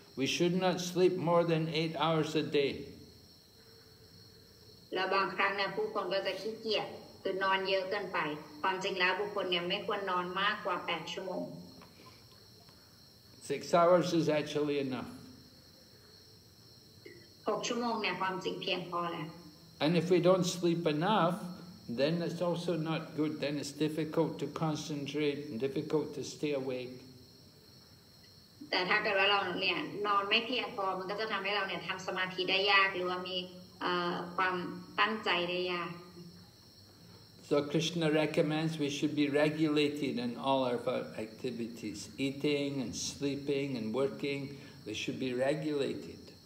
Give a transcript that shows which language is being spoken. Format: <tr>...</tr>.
<en>We should not sleep more than 8 hours a day. And sometimes people are very lazy.</en> <th>คือนอนเยอะเกินไปความจริงแล้วบุคคลเนี่ยไม่ควรนอนมากกว่า8ชั่วโมง</th> <en>6 hours is actually enough</en> <th>6ชั่วโมงเนี่ยความจริงเพียงพอแล้ว</th> <en>And if we don't sleep enough then it's also not good then it's difficult to concentrate and difficult to stay awake</en> <th>แต่ถ้าเกิดว่าเราเนี่ยนอนไม่เพียงพอมันก็จะทำให้เราเนี่ยทำสมาธิได้ยากหรือว่ามีความตั้งใจได้ยาก</th> <en>So Krishna recommends we should be regulated in all of our activities, eating and sleeping and working, we should be regulated.</en>